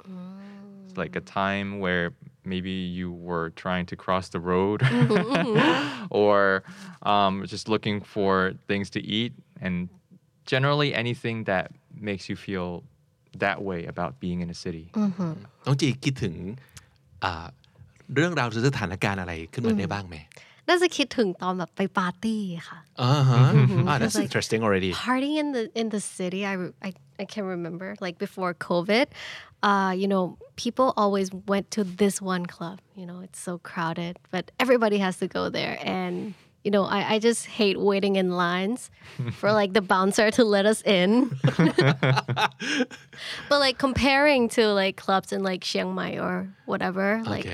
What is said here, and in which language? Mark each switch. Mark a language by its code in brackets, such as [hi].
[en] Mm. It's like a time where maybe you were trying to cross the road or just looking for things to eat. And generally anything that makes you feel that way about being in a city. Mm-hmm. [th] น้องจีคิดถึงเรื่องราวหรือสถานการณ์อะไรขึ้นมาได้บ้างไหม น่าจะคิดถึงตอนแบบไปปาร์ตี้ค่ะ [en] that's like interesting already partying in the city I can remember like before COVID you know people always went to this one club you know it's so crowded but everybody has to go there and you know I just hate waiting in lines for like the bouncer to let us in but like comparing to like clubs in like Chiang Mai or whatever like